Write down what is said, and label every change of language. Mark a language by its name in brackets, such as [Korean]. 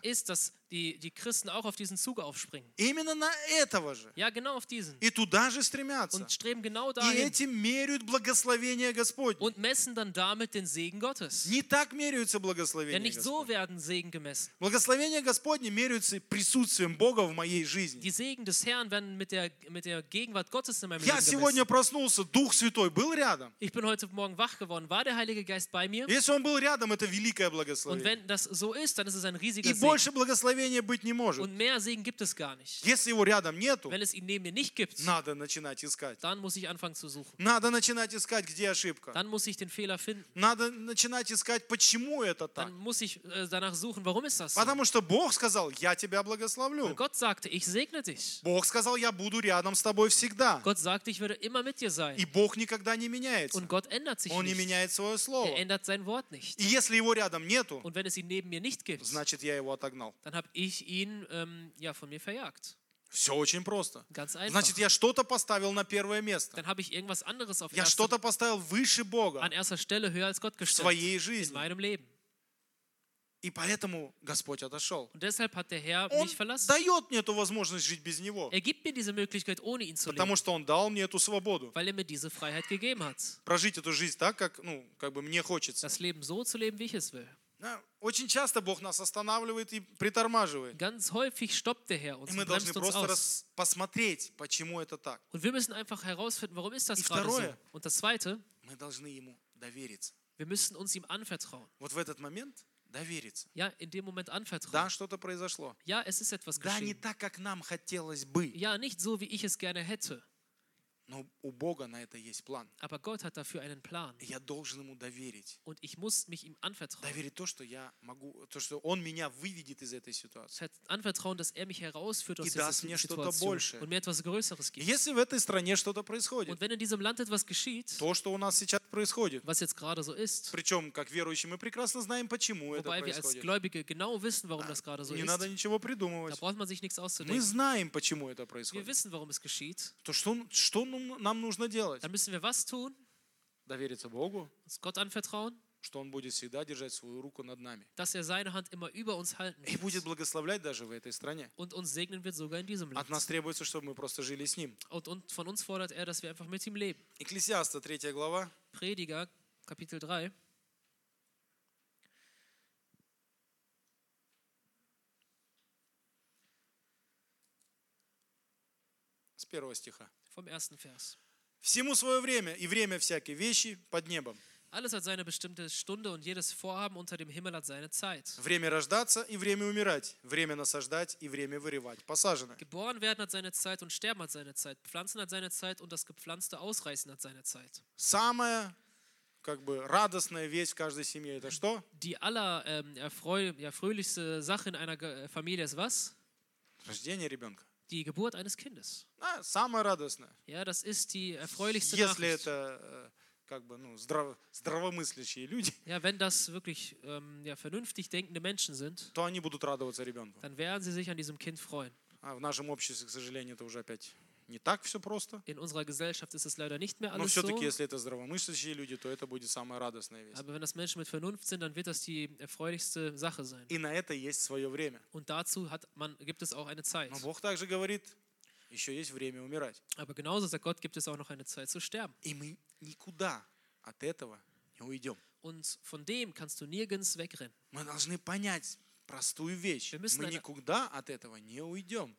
[German] Ist, dass die Christen auch auf diesen Zug aufspringen. [Russian] Именно на этого же. [German] Ja, genau auf diesen. [Russian] И туда же стремятся. [German] Und streben genau dahin. [Russian] И этим меряют благословение Господне. [German] Und messen dann damit den Segen Gottes. [Russian] Не так меряются благословения [German] Denn nicht [Russian] Господне. [German] So werden Segen gemessen. [Russian] Благословения Господне меряются присутствием Бога в моей жизни. [German] Die Segen des Herrn werden mit der Gegenwart Gottes in meinem [Russian] Я [German] Leben gemessen. [Russian] Я сегодня проснулся, Дух Святой был рядом. [German] Ich bin heute Morgen wach geworden. War der Heilige Geist bei mir? [Russian] Если он был рядом, это великое благословение. [German] Und wenn das so ist, dann ist es ein riesiger [Russian] И [German] Segen. [Russian] И больше благословения быть не может. [German] Und mehr Segen gibt es gar nicht. [Russian] Если его рядом нету, [German] wenn es ihn neben mir nicht gibt, [Russian] надо начинать искать. [German] Dann muss ich anfangen zu suchen. [Russian] Надо начинать искать, где ошибка. [German] Dann muss ich den Fehler finden. [Russian] Надо начинать искать, почему это так. [German] Dann muss ich danach suchen, warum ist das so? [Russian] Потому что Бог сказал, я тебя благословлю. [German] Weil Gott sagte, ich segne dich. [Russian] Бог сказал, я буду рядом с тобой всегда. [German] Gott sagte, ich werde immer mit dir sein. [Russian] И Бог никогда не меняется. [German] Und Gott ändert sich [Russian] Он [German] nicht. [Russian] Не меняет свое слово. [German] Er ändert sein Wort nicht. [Russian] И если его рядом нету, [German] Und wenn es ihn neben mir nicht gibt, [Russian] значит, я его отогнал. [German] Dann habe ich ihn von mir verjagt. [Russian] Все очень просто. [German] Ganz einfach. [Russian] Значит, я что-то поставил на первое место. [German] Dann habe ich irgendwas anderes auf я erste... [Russian] что-то поставил выше Бога. [German] An erster Stelle höher als Gott gestellt. [Russian] В своей жизни. [German] In meinem Leben. [Russian] И поэтому Господь отошел. [German] Und deshalb hat der Herr [Russian] он [German] mich verlassen. [Russian] Дает мне эту возможность жить без Него. [German] Er gibt mir diese Möglichkeit, ohne ihn zu leben. [Russian] Потому что Он дал мне эту свободу. [German] Weil er mir diese Freiheit gegeben hat. [Russian] Прожить эту жизнь так, как, ну, как бы мне хочется. [German] Das Leben so zu leben, wie ich es will. [Russian] Очень часто Бог нас останавливает и притормаживает. [German] Ganz häufig stoppt der Herr uns, [Russian] и мы должны просто посмотреть, почему это так. [German] Und wir müssen einfach herausfinden, warum ist das gerade [Russian] второе, [German] so. Und das Zweite, [Russian] мы должны ему довериться. [German] Wir müssen uns ihm anvertrauen. [Russian] Вот в этот момент довериться. [German] Ja, in dem Moment anvertrauen. [Russian] Да, что-то произошло. [German] Ja, es ist etwas geschehen. [Russian] Да, не так, как нам хотелось бы. [German] Ja, nicht so, wie ich es gerne hätte. [Russian] Но у Бога на это есть план. [German] Aber Gott hat dafür einen Plan. [Russian] Я должен ему доверить. [German] Und ich muss mich ihm anvertrauen. [Russian] Доверить то, что я могу, то, что он меня выведет из этой ситуации. [German] Anvertrauen, dass er mich herausführt aus [Russian] И даст мне что-то большее. [German] Und mir etwas Größeres gibt. [Russian] Если в этой стране что-то происходит, [German] Und wenn in diesem Land etwas geschieht, [Russian] то, что у нас сейчас происходит, [German] was jetzt gerade so ist, [Russian] причем, как верующие, мы прекрасно знаем, почему это происходит. [German] Wobei wir als Gläubige genau wissen, warum das gerade so [Russian] не [German] ist. [Russian] Не надо ничего придумывать. [German] Da braucht man sich nichts auszudenken. [Russian] Мы знаем, почему это происходит. [German] Wir wissen, warum es geschieht. [Russian] То, что нам нужно делать. [German] Dann müssen wir was tun? [Russian] довериться Богу, [German] с Gott anvertrauen, [Russian] что Он будет всегда держать свою руку над нами, [German] dass er seine Hand immer über uns halten wird, [Russian] и будет благословлять даже в этой стране, [German] und uns segnen wird sogar in diesem Land. [Russian] От нас требуется, чтобы мы просто жили с Ним. [German] Und von uns fordert er, dass wir einfach mit ihm leben. [Russian] Экклесиаста, 3 глава, [German] Prediger, Kapitel 3, [Russian] с 1 стиха, [German] vom 1. Vers. [Russian] Всему свое время и время всякой вещи под небом. [German] Alles hat seine bestimmte Stunde und jedes Vorhaben unter dem Himmel hat seine Zeit. [Russian] Время рождаться и время умирать, время насаждать и время вырывать. Посажено. [German] Geboren werden hat seine Zeit und sterben hat seine Zeit. Pflanzen hat seine Zeit und das gepflanzte Ausreißen hat seine Zeit. [Russian] Самая как бы радостная вещь в каждой семье это что? [German] Die fröhlichste Sache in einer Familie ist was? [Russian] Рождение ребенка. [German] Die Geburt eines Kindes. [Russian] Ja, самое радостное. [German] Ja, das ist die erfreulichste Nachricht. [Russian] Если это как бы, ну, здравомыслящие люди, [German] ja, wenn das wirklich vernünftig denkende Menschen sind, [Russian] то они будут радоваться ребенку. [German] Dann werden sie sich an diesem Kind freuen. [Russian] А в нашем обществе, к сожалению, это уже опять не так все просто. [German] In unserer Gesellschaft ist es leider nicht mehr [Russian] alles [German] so. [Russian] Но все-таки, если это здравомыслящие люди, то это будет самая радостная вещь. [German] Aber wenn das Menschen mit Vernunft sind, dann wird das die erfreulichste Sache sein. [Russian] И на это есть свое время. [German] Und dazu hat man, gibt es auch eine Zeit. [Russian] Но Бог также говорит, еще есть время умирать. [German] Aber genauso sagt Gott, gibt es auch noch eine Zeit zu sterben. [Russian] И мы никуда от этого не уйдем. [German] Und von dem kannst du nirgends wegrennen. [Russian] Мы должны понять простую вещь. Мы никуда от этого не уйдем.